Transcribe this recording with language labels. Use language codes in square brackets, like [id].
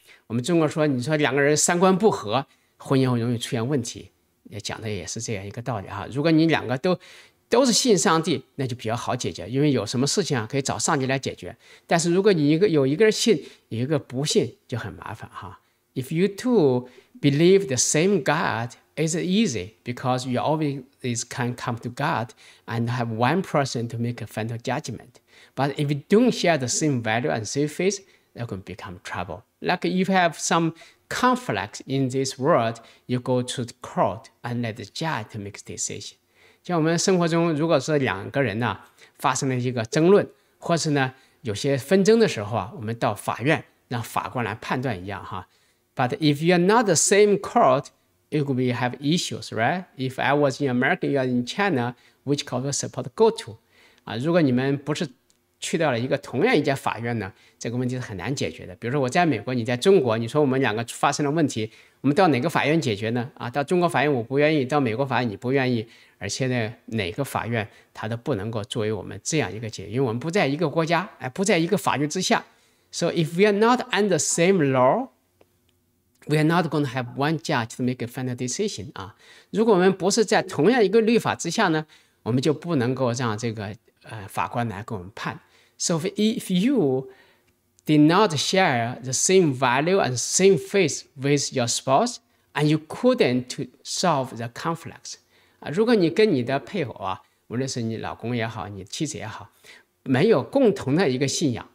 [zh] 我们中国说，你说两个人三观不合，婚姻会容易出现问题，也讲的也是这样一个道理啊。如果你两个都是信上帝，那就比较好解决，因为有什么事情啊可以找上帝来解决。但是如果你有一个人信，有一个不信，就很麻烦啊。 [en] If you two believe the same God. It's easy because you always can come to God and have one person to make a final judgment. But if you don't share the same value and same faith, that can become trouble. Like if you have some conflict in this world, you go to the court and let the judge to make a decision. [zh] 像我们生活中，如果是两个人呢发生了一个争论，或是呢有些纷争的时候啊，我们到法院让法官来判断一样哈。 [en] But if you are not the same court,It could be have issues, right? If I was in America, you are in China, which court will support go to? [zh] 啊，如果你们不是去到了一个同样一家法院呢，这个问题是很难解决的。比如说我在美国，你在中国，你说我们两个发生了问题，我们到哪个法院解决呢？啊，到中国法院我不愿意，到美国法院你不愿意，而且呢，哪个法院它都不能够作为我们这样一个解决，因为我们不在一个国家，哎，不在一个法律之下。 [en] So if we are not under the same law. We are not going to have one judge to make a final decision. [zh] 啊，如果我们不是在同样一个律法之下呢，我们就不能够让这个法官来给我们判。 [en] So if you did not share the same value and same faith with your spouse, and you couldn't solve the conflicts, [zh] 啊，如果你跟你的配偶啊，无论是你老公也好，你妻子也好，没有共同的一个信仰。